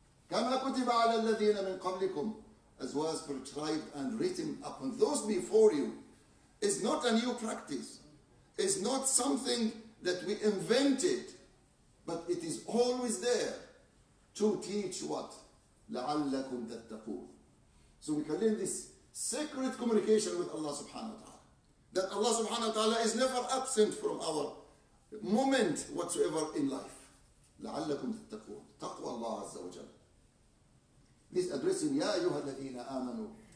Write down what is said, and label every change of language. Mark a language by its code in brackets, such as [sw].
[ar] كما كتب على الذين من قبلكم. [en] As was prescribed and written upon those before you. It's not a new practice. It's not something that we invented. But it is always there to teach what? [ar] لعلكم تتقون. [en] So we can learn this sacred communication with Allah subhanahu wa ta'ala. That Allah subhanahu wa ta'ala is never absent from our moment whatsoever in life. [ar] لعلكم تتقون. تقوى الله عز وجل. [en] This addressing [ar] يا أيها الذين آمنوا.